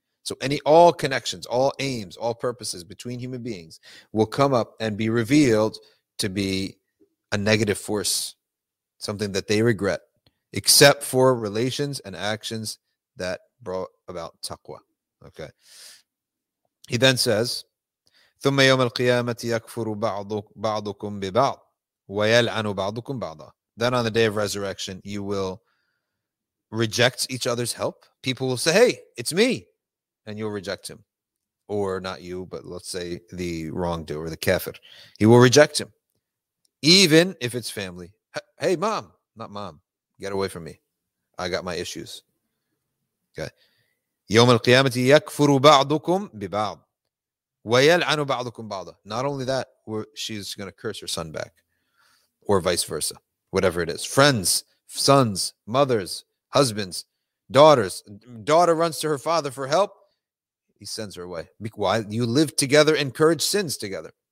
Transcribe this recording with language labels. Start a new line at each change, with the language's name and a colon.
English: So any all connections, all aims, all purposes between human beings will come up and be revealed to be a negative force, something that they regret, except for relations and actions that brought about taqwa. Okay. He then says,
Arabic: ثم يوم القيامة يكفر بعضكم ببعض ويلعن بعضكم بعضا.
English: Then on the day of resurrection, you will reject each other's help. People will say, hey, it's me. And you'll reject him. Or not you, but let's say the wrongdoer, the kafir. He will reject him. Even if it's family. Hey, mom. Not mom. Get away from me. I got my issues. Okay.
Arabic: يوم القيامة يكفر بعضكم ببعض. وَيَلْعَنُ بَعْضُكُمْ بَعْضًا.
English: Not only that, she's going to curse her son back. Or vice versa. Whatever it is. Friends, sons, mothers, husbands, daughters. Daughter runs to her father for help. He sends her away. Why? You live together, encourage sins together.